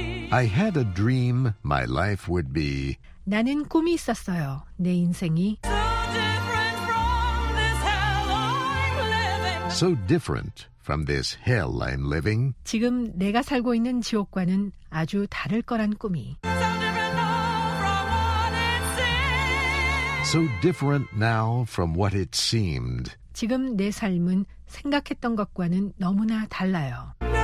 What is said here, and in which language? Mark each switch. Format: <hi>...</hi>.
<en>I had a dream my life would be.</en> <ko>나는 꿈이 있었어요. 내 인생이.</ko> <en>So different from this hell I'm living. So different from this hell I'm living.</en> <ko>지금 내가 살고 있는 지옥과는 아주 다를 거란 꿈이.</ko> <en>So different now from what it seemed. So different now from what it seemed.</en> <ko>지금 내 삶은 생각했던 것과는 너무나 달라요.</ko>